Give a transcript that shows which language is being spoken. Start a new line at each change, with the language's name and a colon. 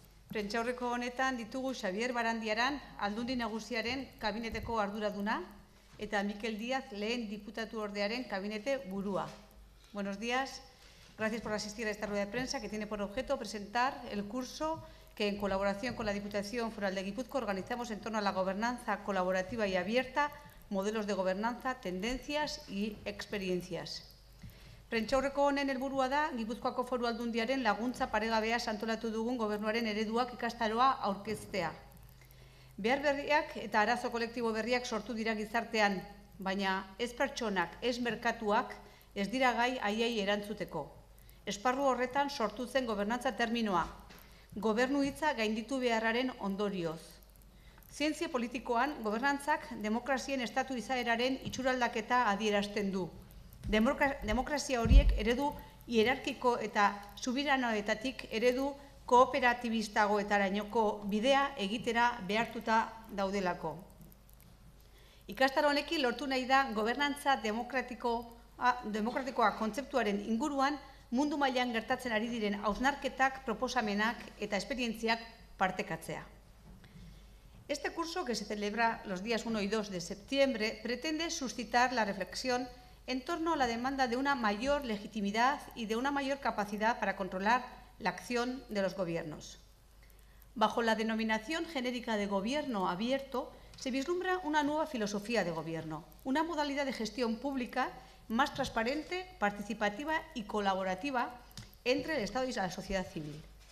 Basque: Prentxaurreko honetan ditugu Xavier Barandiaran, aldundi nagusiaren kabineteko arduraduna, eta Mikel Díaz, lehen diputatu ordearen kabinete burua.
Spanish: Buenos días, gracias por asistir a esta rueda de prensa que tiene por objeto presentar el curso que en colaboración con la Diputación Foral de Guipúzcoa organizamos en torno a la gobernanza colaborativa y abierta, modelos de gobernanza, tendencias y experiencias.
Basque: Prentxaurreko honen helburua da, Gipuzkoako Foru Aldundiaren laguntza paregabea santolatu dugun gobernuaren ereduak ikastaroa aurkeztea. Behar berriak eta arazo kolektibo berriak sortu dira gizartean, baina ez pertsonak, ez merkatuak, ez dira gai haiei erantzuteko. Esparru horretan sortu zen gobernantza terminoa, gobernu hitza gainditu beharraren ondorioz. Zientzia politikoan, gobernantzak demokrazien estatu izaeraren itxuraldaketa adierazten du. Demokrazia horiek eredu hierarkiko eta subiranoetatik eredu kooperatibistagoetarainoko bidea egitera behartuta daudelako. Ikastaro honekin lortu nahi da gobernantza demokratikoa kontzeptuaren inguruan mundu mailan gertatzen ari diren hausnarketak, proposamenak eta esperientziak partekatzea.
Spanish: Este curso, que se celebra los días 1 y 2 de septiembre, pretende suscitar la reflexión en torno a la demanda de una mayor legitimidad y de una mayor capacidad para controlar la acción de los gobiernos. Bajo la denominación genérica de gobierno abierto, se vislumbra una nueva filosofía de gobierno, una modalidad de gestión pública más transparente, participativa y colaborativa entre el Estado y la sociedad civil.